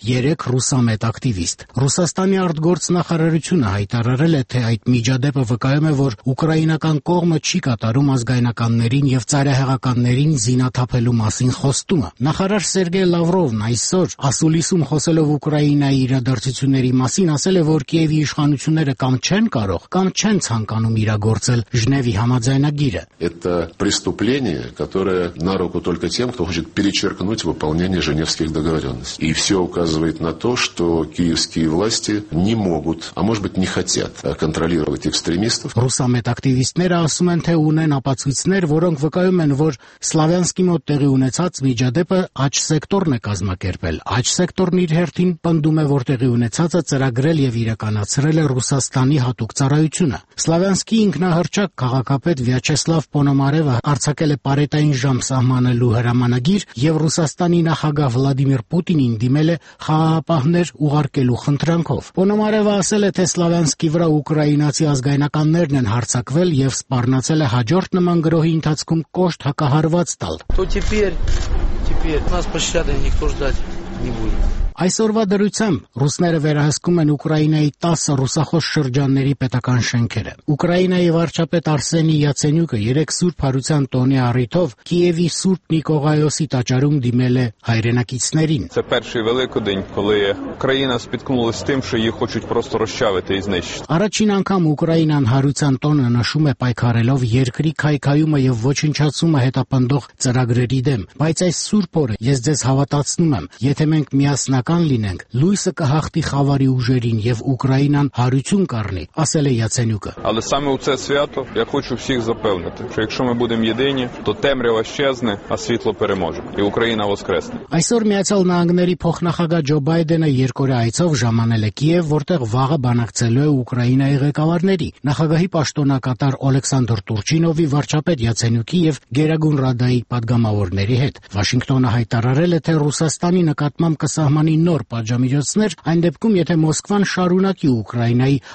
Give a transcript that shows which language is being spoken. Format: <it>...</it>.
<hy>3 ռուսամետ ակտիվիստ։ Ռուսաստանի արտգործնախարարությունը հայտարարել է, թե այդ միջադեպը վկայում է, որ ուկրաինական կողմը չի կատարում ազգայնականներին և ծայրահեղականներին զինաթափելու մասին խոստումը։ Նախարար Սերգեյ Լավրովն այսօր ասուլիսում, խոսելով Ուկրաինայի իրադարձությունների մասին, ասել է, որ Կիևի իշխանությունները կամ չեն կարող, կամ չեն ցանկանում իրագործել Ժնևի համաձայնագիրը։</hy> <ru>Это преступление, которое на руку только тем, кто хочет перечеркнуть выполнение Женевских договорённостей. И всё указывает на то, что киевские власти не могут, а может быть, не хотят контролировать экстремистов.</ru> <hy>Ռուսամետ ակտիվիստները ասում են, թե են ապացույցներ, որոնք վկայում են, որ Սլավյանսկի մոտ տեղի ունեցած միջադեպը աջ սեկտորն է կազմակերպել։ Աջ սեկտորն իր հերթին պնդում է, որ տեղի ունեցածը ծրագրել և իրականացրել է Ռուսաստանի հատուկ ծառայությունը։ Սլավյանսկի ինքնահռչակ քաղաքապետ Վյաչեսլավ Պոնոմարևը արձակել է պարետային ժամ սահմանելու հրամանագիր և Ռուսաստանի նախագահ Վլադիմիր Պուտինին դիմել է խաղաղապահներ ուղարկելու խնդրանքով։ Պոնոմարևը ասել է, թե Սլավյանսկի վրա ուկրաինացի ազգայնականներն են հարձակվել և սպառնացել հաջորդ նման գրոհի ընթացքում կոշտ հակահարված տալ։</hy> <ru>Теперь нас пощады никто ждать не будет.</ru> <hy>Այսօրվա դրությամբ ռուսները վերահսկում են Ուկրաինայի 10 ռուսախոս շրջանների պետական շենքերը։ Ուկրաինայի վարչապետ Արսենի Յացենյուկը 3 սուրբ հարության տոնի առիթով Կիևի Սուրբ Նիկողայոսի տաճարում դիմել է հայրենակիցներին։</hy> <uk>Це перший великий день, коли країна спіткнулась з тим, що її хочуть просто розчавити і знищити.</uk> <hy>Առաջին անգամ Ուկրաինան հարության տոնը նշում է պայքարելով երկրի քայքայումը եւ ոչնչացումը հետապնդող ծրագրերի դեմ։ Բայց այս սուրբ օրը ես ձեզ հավատացնում եմ, եթե մենք միասնական լինենք, լույսը կհաղթի խավարի ուժերին եւ Ուկրաինան հարություն կառնի, ասել է Յացենյուկը։</hy> <uk>Але саме у це свято я хочу всіх запевнити, що якщо ми будемо єдині, то темрява щезне, а світло переможе, і Україна воскресне.</uk> <hy>Այսօր Միացյալ Նահանգների փոխնախագահ Ջո Բայդենը երկօրյա այցով ժամանել է Կիև, որտեղ վաղը բանակցելու է Ուկրաինայի ղեկավարների, նախագահի պաշտոնակատար Օլեքսանդր Տուրչինովի, վարչապետ Յացենյուկի եւ Գերագուն Ռադայի պատգամավորների հետ։ Վաշինգտոնը հայտարարել է, թե Ռուսաստանի նկատմամբ կսահմանի նոր պատժամիջոցներ, այն դեպքում, եթե Մոսկվան շարունակի Ուկրաինայի</hy>